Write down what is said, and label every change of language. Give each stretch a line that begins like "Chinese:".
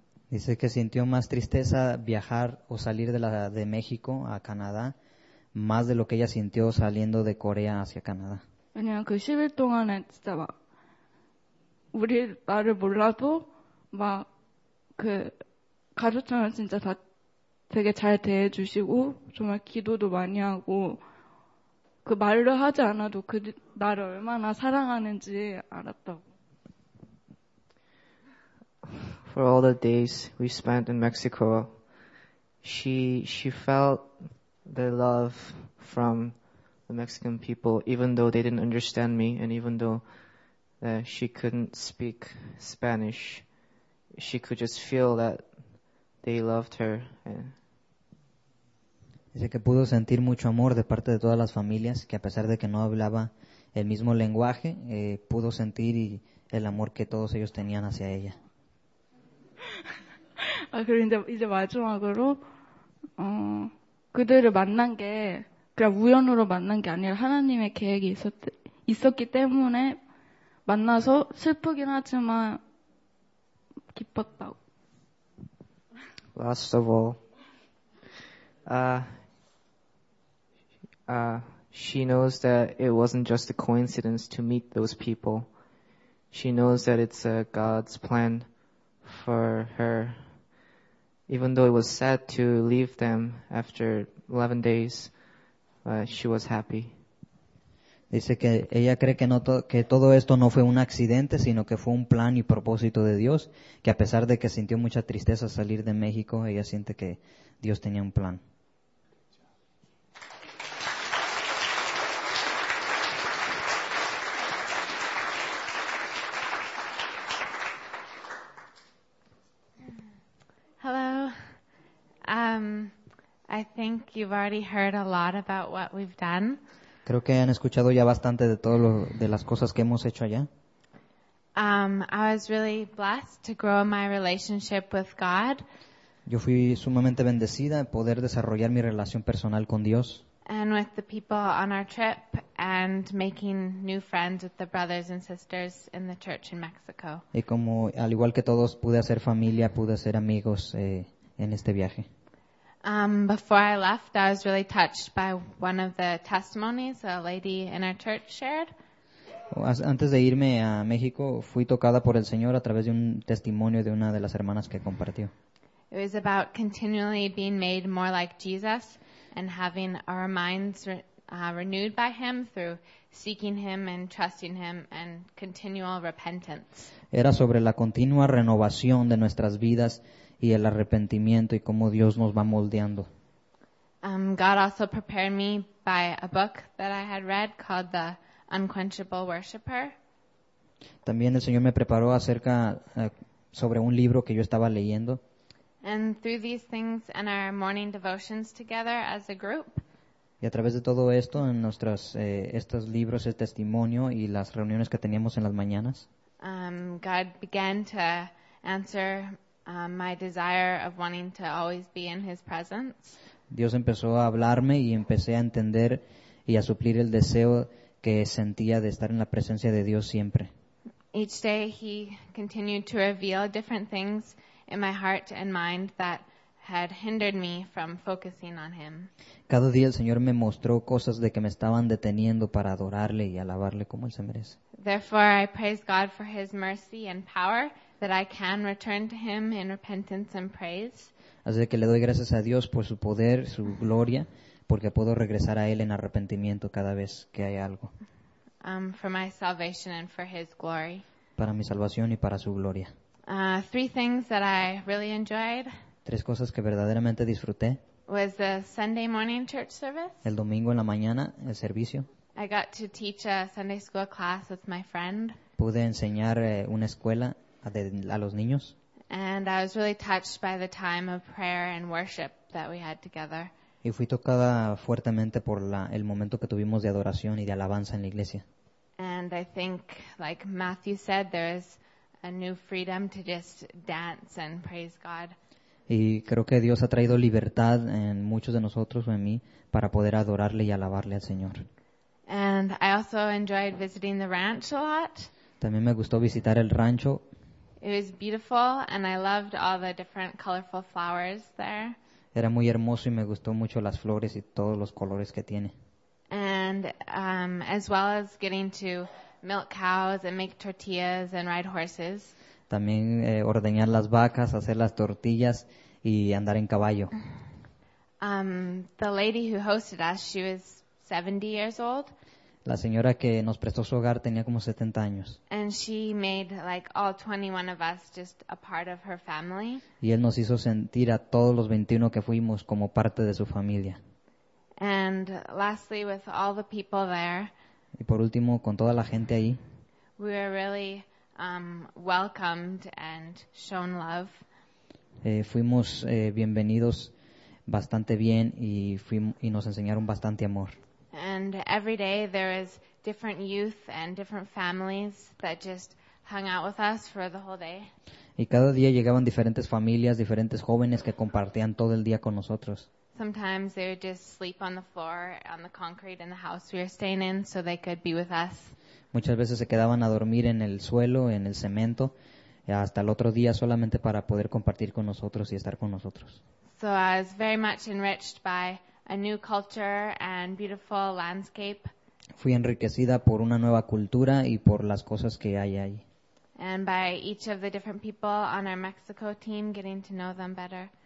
Spanish: Dice que sintió más tristeza viajar o salir de México a Canadá, más de lo que ella sintió saliendo de Corea hacia Canadá.
Korean: 그냥 그 10일 동안에 진짜 막 우리 나를 몰라도 막 그 가족처럼 진짜 다 되게 잘 대해주시고 정말 기도도 많이 하고 그 말을 하지 않아도 그 나를 얼마나 사랑하는지 알았다고.
English: For all the days we spent in Mexico, she felt the love from the Mexican people, even though they didn't understand me, and even though she couldn't speak Spanish, she could just feel that they loved her.
Spanish: Dice que pudo sentir mucho amor de parte de todas las familias, que a pesar de que no hablaba el mismo lenguaje, pudo sentir el amor que todos ellos tenían hacia ella.
Korean: 아, 그리고 이제 마지막으로 그들을 만난 게 그냥 우연으로 만난 게 아니라 하나님의 계획이 있었기 때문에 만나서 슬프긴 하지만 기뻤다고.
English: Last of all, she knows that it wasn't just a coincidence to meet those people. She knows that it's God's plan for her, even though it was sad to leave them after 11 days, she was happy.
Spanish: Dice que ella cree que no que todo esto no fue un accidente, sino que fue un plan y propósito de Dios, que a pesar de que sintió mucha tristeza salir de México, ella siente que Dios tenía un plan.
English: Hello. I think you've already heard a lot about what we've done.
Spanish: Creo que han escuchado ya bastante de todo lo, de las cosas que hemos hecho allá.
English: I was really blessed to grow my relationship with God.
Spanish: Yo fui sumamente bendecida en poder desarrollar mi relación personal con Dios.
English: And with the people on our trip and making new friends with the brothers and sisters in the church in Mexico.
Spanish: Y como al igual que todos pude hacer familia, pude hacer amigos en este viaje.
English: Before I left, I was really touched by one of the testimonies a lady in our church shared.
Spanish: Antes de irme a México, fui tocada por el Señor a través de un testimonio de una de las hermanas que compartió.
English: It was about continually being made more like Jesus and having our minds renewed by Him through seeking Him and trusting Him and continual repentance.
Spanish: Era sobre la continua renovación de nuestras vidas y el arrepentimiento y cómo Dios nos va moldeando.
English: God also prepared me by a book that I had read called The Unquenchable Worshipper.
Spanish: También el Señor me preparó acerca sobre un libro que yo estaba leyendo.
English: And through these things and our morning devotions together as a group.
Spanish: Y a través de todo esto en nuestros estos libros, el testimonio y las reuniones que teníamos en las mañanas.
English: God began to answer my desire of wanting to always be in His presence.
Spanish: Dios empezó a hablarme y empecé a entender y a suplir el deseo que sentía de estar en la presencia de Dios siempre.
English: Each day He continued to reveal different things in my heart and mind that had hindered me from focusing on Him.
Spanish: Cada día el Señor me mostró cosas de que me estaban deteniendo para adorarle y alabarle como Él se merece.
English: Therefore, I praise God for His mercy and power that I can return to Him in repentance and praise.
Spanish: Así que le doy gracias a Dios por su poder, su gloria, porque puedo regresar a Él en arrepentimiento cada vez que hay algo.
English: For my salvation and for His glory.
Spanish: Para mi salvación y para su gloria.
English: Three things that I really enjoyed.
Spanish: Tres cosas que verdaderamente disfruté.
English: Was the Sunday morning church service.
Spanish: El domingo en la mañana, el servicio.
English: I got to teach a Sunday school class with my friend.
Spanish: Pude enseñar una escuela a los niños.
English: And I was really touched by the time of prayer and worship that we had together.
Spanish: Y fui tocada fuertemente por el momento que tuvimos de adoración y de alabanza en la iglesia.
English: And I think, like Matthew said, there is a new freedom to just dance and praise God.
Spanish: Y creo que Dios ha traído libertad en muchos de nosotros o en mí para poder adorarle y alabarle al Señor.
English: And I also enjoyed visiting the ranch a lot.
Spanish: También me gustó visitar el rancho.
English: It was beautiful and I loved all the different colorful flowers there.
Spanish: Era muy hermoso y me gustó mucho las flores y todos los colores que tiene.
English: And as well as getting to milk cows and make tortillas and ride horses.
Spanish: También ordeñar las vacas, hacer las tortillas y andar en caballo.
English: The lady who hosted us, she was 70 years old.
Spanish: La señora que nos prestó su hogar tenía como 70 años.
English: And she made like all 21 of us just a part of her family.
Spanish: Y él nos hizo sentir a todos los 21 que fuimos como parte de su familia.
English: And lastly, with all the people there.
Spanish: Y por último, con toda la gente ahí.
English: We were really welcomed and shown love.
Spanish: Fuimos bienvenidos bastante bien y nos enseñaron bastante amor.
English: And every day there is different youth and different families that just hung out with us for the whole day.
Spanish: Y cada día llegaban diferentes familias, diferentes jóvenes que compartían todo el día con nosotros.
English: Sometimes they would just sleep on the floor, on the concrete in the house we were staying in so they could be with us.
Spanish: Muchas veces se quedaban a dormir en el suelo, en el cemento, hasta el otro día solamente para poder compartir con nosotros y estar con nosotros.
English: So I was very much enriched by a new culture and beautiful landscape.
Spanish: Fui enriquecida por una nueva cultura y por las cosas que hay ahí.
English: And by each of the different people on our Mexico team, getting to know them better.